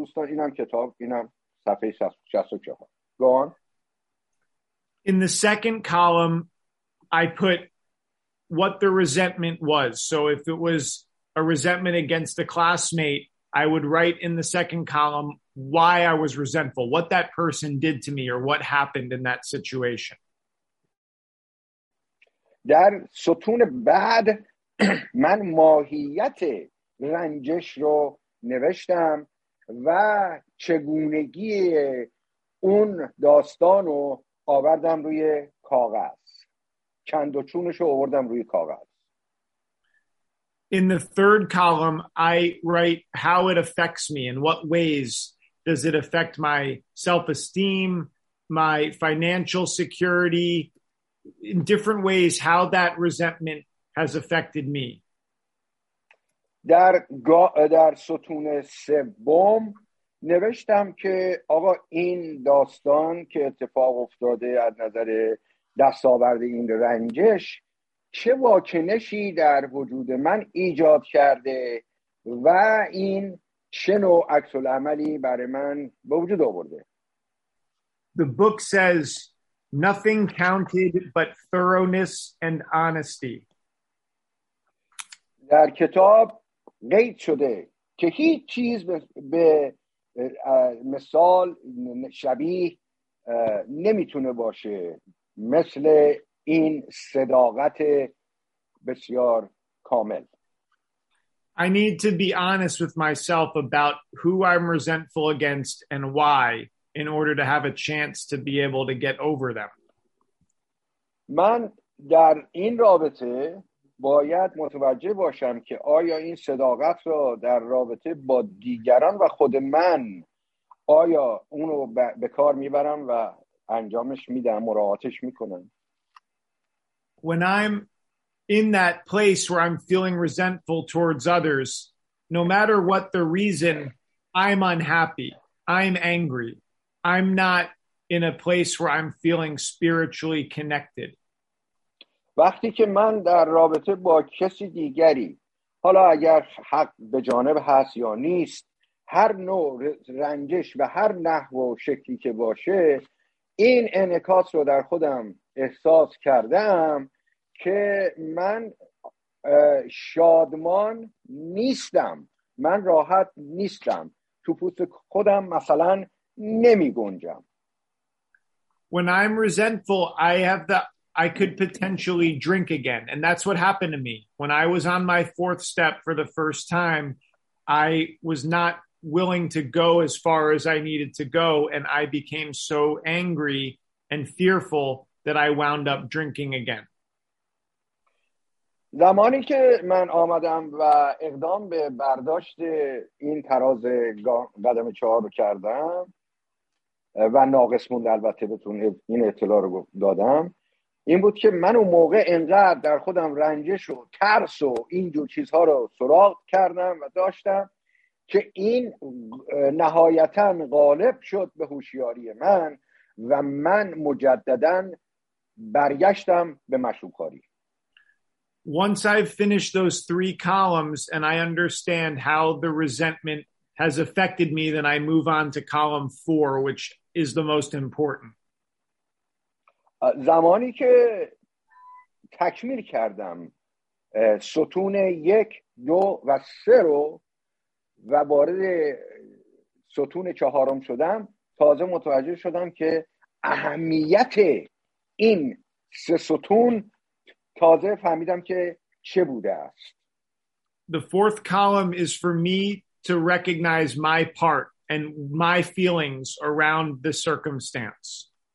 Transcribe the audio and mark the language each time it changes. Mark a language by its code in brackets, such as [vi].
[fa] دوستان اینم کتاب اینم صفحه 64. [en] Go on. In the second column, I put what the resentment was. So if it was a resentment against a classmate, I would write in the second column why I was resentful, what that person did to me or what happened in that situation. [fa] در ستون بعد من ماهیت رنجش رو نوشتم و چگونگی اون داستان رو آوردم روی کاغذ. چند و چونش رو آوردم روی کاغذ. [en] In the third column, I write how it affects me and what ways does it affect my self-esteem, my financial security, in different ways, how that resentment has affected me. [fa] در ستون سوم نوشتم که آقا این داستان که اتفاق افتاده از نظر دستاورد این رنجش چه واکنشی در وجود من ایجاد کرده و این چه نوع عکس العملی برای من به وجود آورده. [en] The book says nothing counted but thoroughness and honesty. [fa] در کتاب قید شده که هیچ چیز به مثال شبیه نمیتونه باشه مثل این صداقت بسیار کامل. [en] I need to be honest with myself about who I'm resentful against and why in order to have a chance to be able to get over them. [fa] من در این رابطه باید متوجه باشم که آیا این صداقت را در رابطه با دیگران و خود من آیا اون رو به کار میبرم و انجامش میدم مراعاتش میکنم. [en] When I'm in that place where I'm feeling resentful towards others, no matter what the reason, I'm unhappy, I'm angry, I'm not in a place where I'm feeling spiritually connected. [fa] وقتی که من در رابطه با کسی دیگری، حالا اگر حق به جانب هست یا نیست، هر نوع رنجش و هر نحو و شکلی که باشه، این انعکاس رو در خودم احساس کردم که من شادمان نیستم، من راحت نیستم، تو پوست خودم مثلا نمی گنجم. [en] When I'm resentful, I could potentially drink again. And that's what happened to me. When I was on my fourth step for the first time, I was not willing to go as far as I needed to go. And I became so angry and fearful that I wound up drinking again. [fa] زمانی که من آمدم و اقدام به برداشت این تراز قدم چهار کردم و ناقص مونده البته بهتون این اطلاع رو دادم این بود که من اون موقع انقدر در خودم رنجش و ترس و اینجور چیزها رو سراغ کردم و داشتم که این نهایتاً غالب شد به هوشیاری من و من مجدداً برگشتم به مشروب‌خواری. [en] Once I've finished those three columns and I understand how the resentment has affected me, then I move on to column four, which is the most important. [fa] زمانی که تکمیل کردم ستون یک، دو و سه رو و وارد ستون چهارم شدم، تازه متوجه شدم که اهمیت این سه ستون تازه فهمیدم که چه بوده است. [en] The fourth column is for me to recognize my part and my feelings around the circumstance.